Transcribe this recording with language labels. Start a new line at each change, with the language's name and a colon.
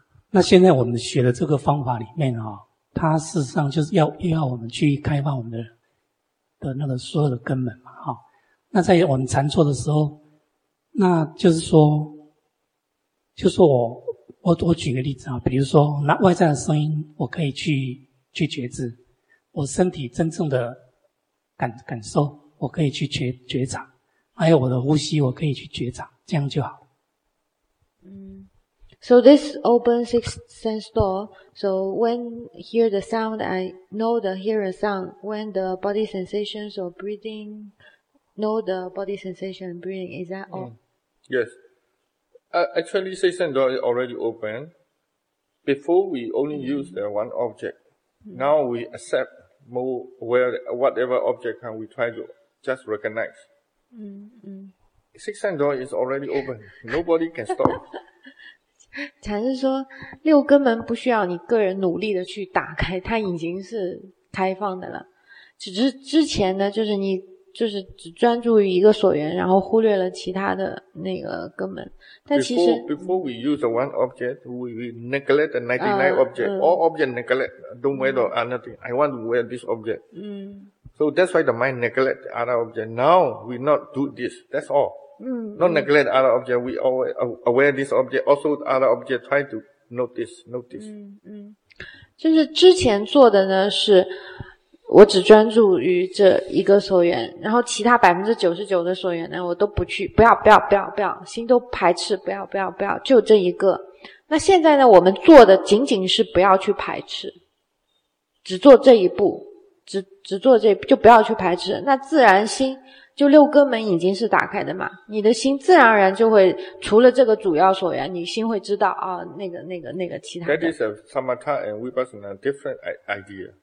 Chinese: 那现在我们学的这个方法里面啊，它事实上就是要我们去开放我们的那个所有的根本嘛，那在我们禅坐的时候，那就是说，就是我举个例子啊，比如说那外在的声音，我可以去觉知，我身体真正的感受，我可以去觉察，还有我的呼吸，我可以去觉察，这样就好。
English: So this open sixth sense door. So when hear the sound, I know the hear a sound. When the body sensations or breathing, know the body sensation and breathing. Is that all? Yes. Actually, sixth sense door is already open. Before we only use the one object. Now we accept more aware, whatever object can we try to just recognize. Sixth sense door is already open. Nobody can stop.
Chinese: 禅师说六根门不需要你个人努力的去打开，它已经是开放的了，只是之前呢，就是你就是只专注于一个所缘，然后忽略了其他的那个根门。但其实
English: Before we use one object, we neglect the 99 object. All object neglect, don't matter anything. I want to wear this object. So that's why the mind neglect the other object. Now we not do this, that's all. Not neglect other object, we always aware this object, also other object try to notice.
Chinese: 就是之前做的呢，是我只专注于这一个所缘，然后其他 99% 的所缘呢，我都不去，不要，心都排斥，不要，就这一个。那现在呢，我们做的仅仅是不要去排斥，只做这一步，只做这一步，就不要去排斥，那自然心就六根门已经是打开的嘛，你的心自然而然就会除了这个主要所缘，你心会知道啊，那个其他的。
English: That is a samatha and vipassana different idea.